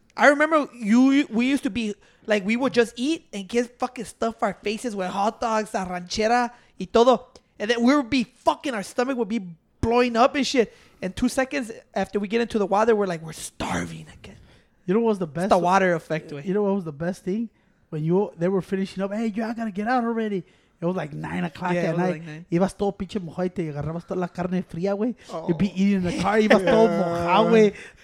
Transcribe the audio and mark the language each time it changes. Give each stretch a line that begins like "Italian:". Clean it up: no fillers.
English: I remember we used to be like, we would just eat and get fucking stuff our faces with hot dogs,
Spanish: la ranchera y todo.
English: And then we would be fucking, our stomach would be blowing up and shit. And 2 seconds after we get into the water, we're like, we're starving again. You know what was the best? It's the water effect. You know what was the best thing? When they were finishing up, hey, you all gotta get out already. It was like 9 o'clock at night.
Spanish: Ibas todo pinche mojado y te agarrabas toda la carne fría, güey.
English: You'd be eating in the car.
Spanish: Ibas todo mojado, güey.